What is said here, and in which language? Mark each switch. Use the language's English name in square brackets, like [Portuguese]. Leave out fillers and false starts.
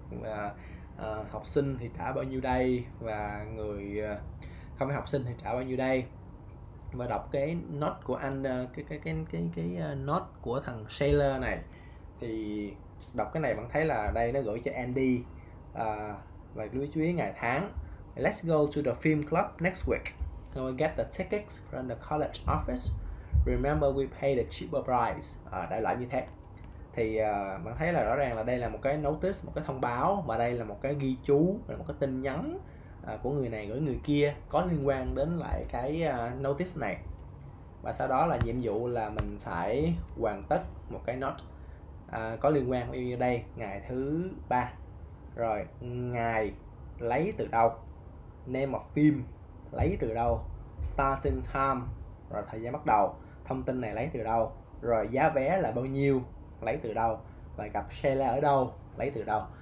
[Vietnamese] Và học sinh thì trả bao nhiêu đây, và người không phải học sinh thì trả bao nhiêu đây. Và đọc cái note của anh cái note của thằng Sailor này, thì đọc cái này bạn thấy là đây nó gửi cho Andy, và lưu ý ngày tháng. [English] Let's go to the film club next week. So we get the tickets from the college office. Remember we pay the cheaper price. [Vietnamese] Đại loại như thế. Thì bạn thấy là rõ ràng là đây là một cái notice, một cái thông báo, và đây là một cái ghi chú, một cái tin nhắn của người này gửi người kia có liên quan đến lại cái notice này. Và sau đó là nhiệm vụ là mình phải hoàn tất một cái note có liên quan, ví dụ như đây ngày thứ ba, rồi ngày lấy từ đâu, [English] name of film [Vietnamese] lấy từ đâu, starting time rồi thời gian bắt đầu, thông tin này lấy từ đâu, rồi giá vé là bao nhiêu lấy từ đâu, và gặp Sheila ở đâu lấy từ đâu.